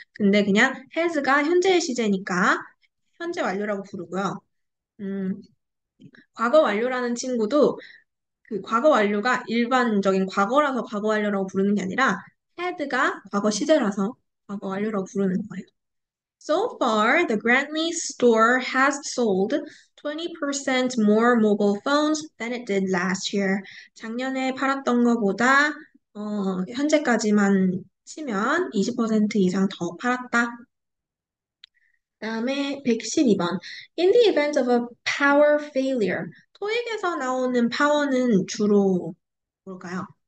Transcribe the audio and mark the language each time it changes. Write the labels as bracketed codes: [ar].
[ko] 근데 그냥 has가 현재의 시제니까 현재 완료라고 부르고요. 과거 완료라는 친구도 그 과거 완료가 일반적인 과거라서 과거 완료라고 부르는 게 아니라 head가 과거 시제라서 과거 완료라고 부르는 거예요. [en] So far, the Grantley store has sold 20% more mobile phones than it did last year. [ko] 작년에 팔았던 것보다 현재까지만 치면 20% 이상 더 팔았다. 다음에 112번. [en] In the event of a power failure, [ko] 토익에서 나오는 파워는 주로 뭘까요?